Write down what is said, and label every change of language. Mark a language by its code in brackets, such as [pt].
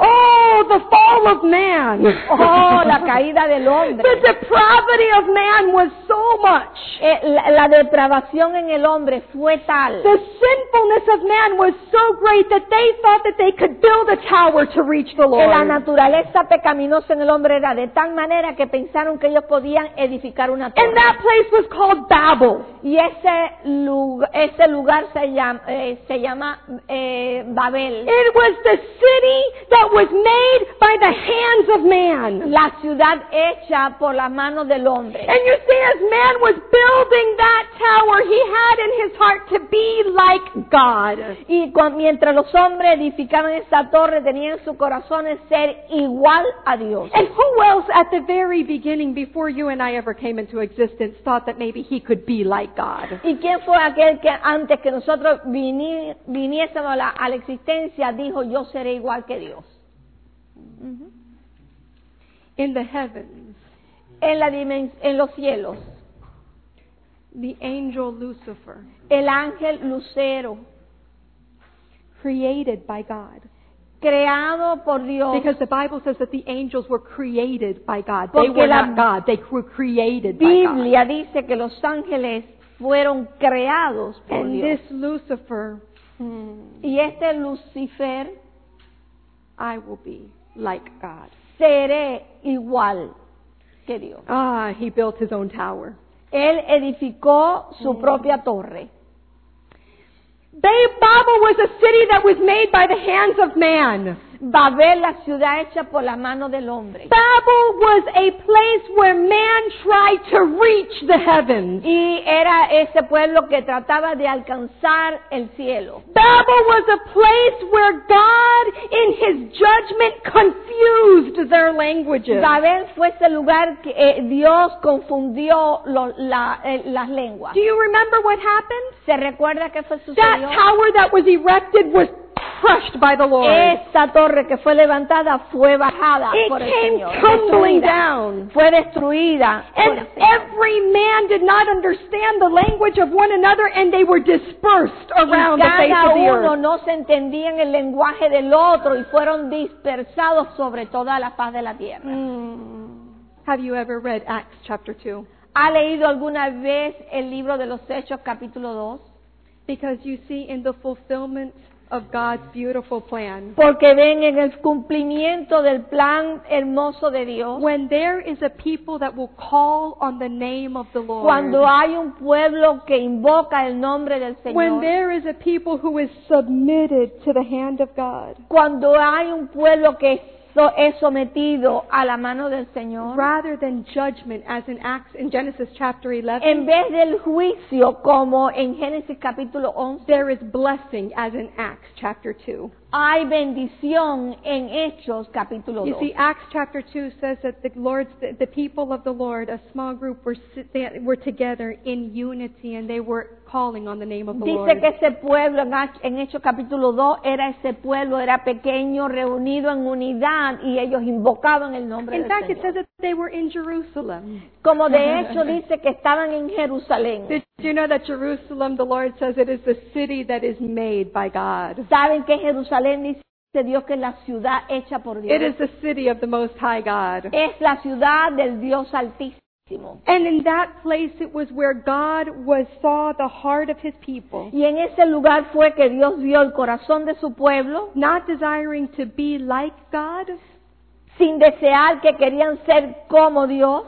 [en] Oh, the fall of man. [es] Oh, la caída del hombre. [en] The depravity of man was so much. [es] La depravación en el hombre fue tal. [en] The sinfulness of man was so great that they thought that they could build a tower to reach the Lord. [es] La naturaleza pecaminosa en el hombre era de tal manera que pensaron que ellos podían edificar una torre. [en] And that place was called Babel. [es] Y ese lugar se llama Babel. [en] It was the city that was made by the hands of man. [es] La ciudad hecha por la mano del hombre. [en] And you see, as man was building that tower, he had in his heart to be like God. [es] Y mientras los hombres edificaban esa torre, tenían en su corazón ser igual a Dios. [en] And who else at the very beginning, before you and I ever came into existence, thought that maybe he could be like God? [es] ¿Y quién fue aquel que antes que nosotros viniésemos a la existencia dijo, yo seré igual que Dios? [en] In the heavens, [es] en los cielos, [en] the angel Lucifer, [es] el ángel Lucero, [en] created by God, [es] creado por Dios, [en] because the Bible says that the angels were created by God. They were not God; they were created [es] Biblia [en] by God. [es] Biblia dice que los ángeles fueron creados por [en] and [es] Dios. [en] This Lucifer, [es] y este Lucifer, [en] I will be like God. [es] Seré igual que Dios. [en] Ah, he built his own tower. [es] Él edificó su propia torre. [en] Babel was a city that was made by the hands of man. [es] Babel, la ciudad hecha por la mano del hombre. [en] Babel was a place where man tried to reach the heavens. [es] Y era ese pueblo que trataba de alcanzar el cielo. [en] Babel was a place where God, in His judgment, confused their languages. [es] Babel fue ese lugar que Dios confundió las lenguas. [en] Do you remember what happened? [es] ¿Se recuerda qué fue sucedió? [en] That tower that was erected was crushed by the Lord. [es] Esta torre que fue levantada fue bajada [en] it [es] por el [en] came [es] Señor. [en] Tumbling down. [es] Fue destruida. [en] And every man did not understand the language of one another, and they were dispersed around the face of the earth. [es] Cada uno no se entendía en el lenguaje del otro y fueron dispersados sobre toda la faz de la tierra. [en] Have you ever read Acts chapter 2? [es] ¿Ha leído alguna vez el libro de los Hechos capítulo 2? [en] Because you see in the fulfillment of God's beautiful plan. [es] Porque ven en el cumplimiento del plan hermoso de Dios. [en] When there is a people that will call on the name of the Lord. [es] Cuando hay un pueblo que invoca el nombre del Señor. [en] When there is a people who is submitted to the hand of God. [es] Cuando hay un pueblo que es sometido a la mano del Señor. [en] Rather than judgment as in Acts in Genesis chapter 11. [es] En vez del juicio como en Génesis capítulo 11. [en] There is blessing as in Acts chapter 2. [es] Hay bendición en Hechos capítulo 2. [en] You see, Acts chapter 2 says that the people of the Lord, a small group, were together in unity and they were calling on the name of the [es] Dice [en] Lord. [es] Dice que ese pueblo en Hechos capítulo 2 era ese pueblo, era pequeño, reunido en unidad y ellos invocaban el nombre [en] in [es] del [en] fact, [es] Señor. [en] In fact, it says that they were in Jerusalem. [es] Como de hecho dice que estaban en Jerusalén. [en] Did you know that Jerusalem, the Lord says, it is the city that is made by God? [es] ¿Saben que Jerusalén dice Dios que es la ciudad hecha por Dios? [en] It is the city of the Most High God. [es] Es la ciudad del Dios Altísimo. [en] And in that place it was where God was saw the heart of his people. [es] Y en ese lugar fue que Dios vio el corazón de su pueblo. [en] Not desiring to be like God. [es] Sin desear que querían ser como Dios.